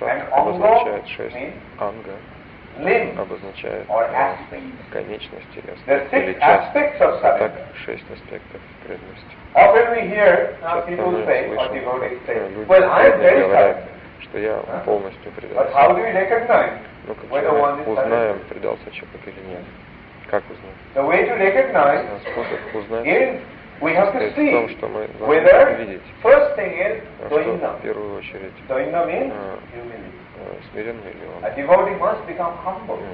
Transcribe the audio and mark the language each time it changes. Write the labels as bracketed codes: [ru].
[ru] обозначает шесть, anga обозначает конечность или аспект, или часть. Итак, шесть аспектов преданности. [en] Often we hear people say, or devotees say, well, I am very sure, [ru] что я полностью предался. [en] But how do we recognize whether one is [ru] узнаем, предался человек или нет? Как узнать? [en] The way to recognize [ru] способ узнать [en] is we have to see [ru] том, что мы [en] whether [ru] видеть, [en] first thing is doina. [ru] В первую очередь [en] doina means humility. [ru] Смиренный ли он? [en] A devotee must become humble.